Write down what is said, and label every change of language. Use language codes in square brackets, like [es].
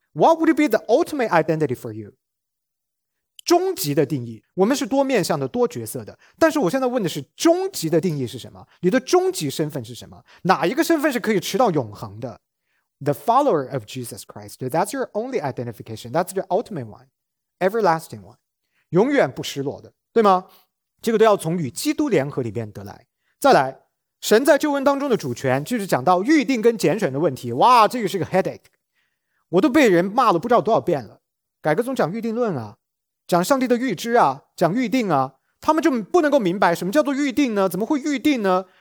[en] What would be the ultimate identity for you？ [zh] 终极的定义，我们是多面向的，多角色的，但是我现在问的是终极的定义是什么，你的终极身份是什么，哪一个身份是可以持到永恒的？ [en] The follower of Jesus Christ, that's your only identification, that's your ultimate one, everlasting one, [zh] 永远不失落的，对吗？这个都要从与基督联合里面得来。再来，神在救恩当中的主权，就是讲到预定跟拣选的问题。哇，这个是个 headache， 我都被人骂了不知道多少遍了。改革宗讲预定论啊，讲上帝的预知啊，讲预定啊，他们就不能够明白什么叫做预定呢？怎么会预定呢？